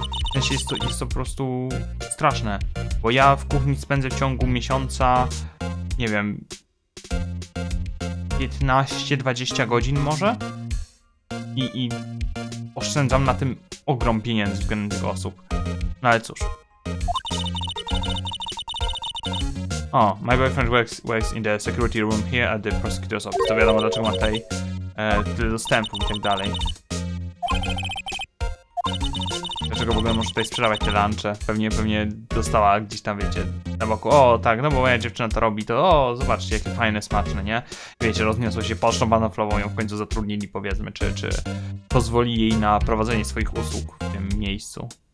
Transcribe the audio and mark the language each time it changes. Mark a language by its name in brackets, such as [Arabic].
[Polish] W sensie jest to po prostu straszne, bo ja w kuchni spędzę w ciągu miesiąca, nie wiem, 15-20 godzin może i oszczędzam na tym ogrom pieniędzy względem tych osób. No ale cóż. [English] O, my boyfriend works in the security room here at the prosecutor's office. [Polish] To wiadomo, dlaczego ma tutaj tyle dostępu i tak dalej. Dlaczego w ogóle może tutaj sprzedawać te lunche? Pewnie dostała gdzieś tam, wiecie, na boku. O, tak, no bo moja dziewczyna to robi, to o, zobaczcie, jakie fajne, smaczne, nie? Wiecie, rozniosło się pocztą banoflową, ją w końcu zatrudnili, powiedzmy, czy pozwoli jej na prowadzenie swoich usług w tym miejscu.